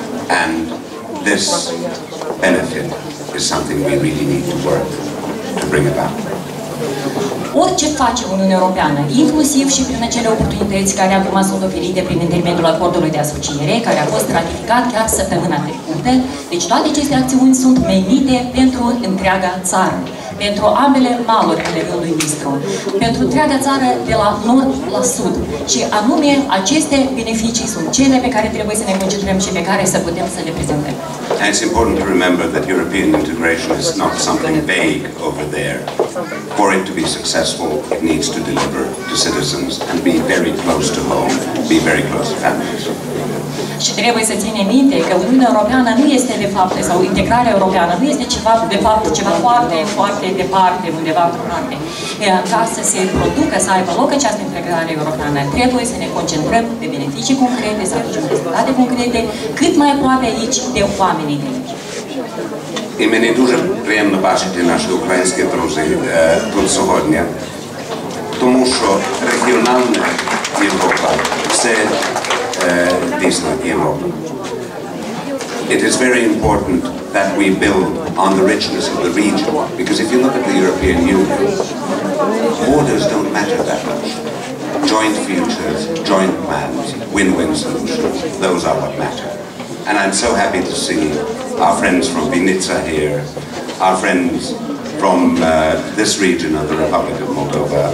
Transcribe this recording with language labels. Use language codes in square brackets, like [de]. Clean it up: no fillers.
[en] And this benefit is something we really need to work to bring about. [ro] Orice face Uniunea Europeană, inclusiv și prin acele oportunități care au rămas oferite prin intermediul acordului de asociere, care a fost ratificat chiar săptămâna trecută, deci toate aceste acțiuni sunt menite pentru întreaga țară, pentru ambele maluri ale Râului Nistru, pentru întreaga țară de la nord la sud. Și anume, aceste beneficii sunt cele pe care trebuie să ne concentrăm și pe care să putem să le prezentăm. [en] And it's important to remember that European integration is not something vague over there. For it to be successful, it needs to deliver to citizens and be very close to home, be very close to families. [ro] Și trebuie să ținem minte că Uniunea Europeană nu este de fapt, sau integrarea europeană nu este ceva, de fapt, ceva foarte, foarte departe, undeva într-o parte. Ca să se producă, să aibă loc această integrare europeană, trebuie să ne concentrăm pe beneficii concrete, să aducem rezultate concrete, cât mai aproape aici de oamenii de aici. [uk] І мені дуже приємно бачити наші українські друзі тут сьогодні, тому що регіональна Європа – це дійсно Європа. [en] It is very important that we build on the richness of the region, because if you look at the European Union, borders don't matter that much. Joint futures, joint plans, win-win solutions, those are what matter. And I'm so happy to see our friends from Vinnytsia here, our friends from this region of the Republic of Moldova.